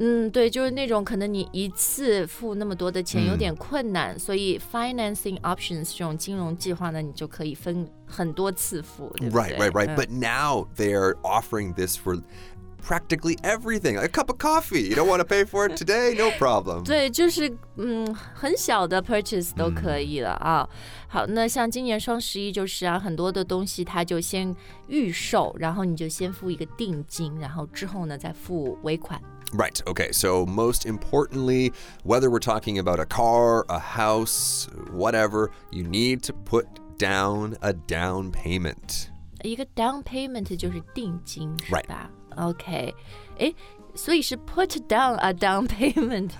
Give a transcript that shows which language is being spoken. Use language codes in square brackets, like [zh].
[zh] 对，就是那种可能你一次付那么多的钱有点困难，所以 financing options 这种金融计划呢，你就可以分很多次付，对不对？ [en] Right, right, right. But now they're offering this for practically everything. A cup of coffee. You don't want to pay for it today? No problem. [zh] 对，就是很小的 purchase 都可以了啊。好，那像今年双十一就是啊，很多的东西它就先预售，然后你就先付一个定金，然后之后呢再付尾款。 [en] Right, okay, so most importantly, whether we're talking about a car, a house, whatever, you need to put down a down payment. [zh] 一个 down payment 就是定金 [en] ，right. [zh] 是吧？ [en] Okay. [zh] 诶，所以是 [en] put down a down payment.